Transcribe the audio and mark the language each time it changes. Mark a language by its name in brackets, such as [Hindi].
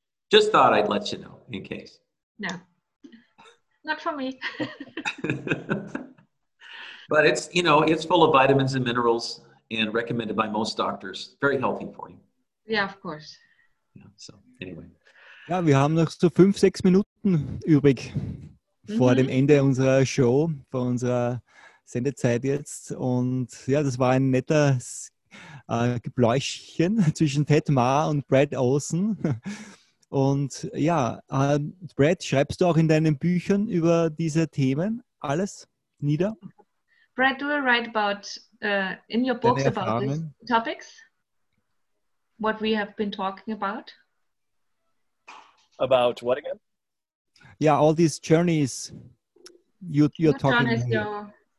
[English] Just thought I'd let you know in case. No, not for me. But it's, you know, it's full of vitamins and minerals and recommended by most doctors. Very healthy for you. Yeah, of course. Yeah, so anyway. [German] Ja, wir haben noch so 5-6 Minuten übrig vor dem Ende unserer Show, vor unserer Sendezeit jetzt. Und ja, das war ein netter Gebläuschchen zwischen Ted Ma und Brad Olsen. Und ja, Brad, schreibst du auch in deinen Büchern über diese Themen alles nieder? [English] Brad, do you write about in your books about these topics? What we have been talking about? About what again? Yeah, all these journeys you're talking about.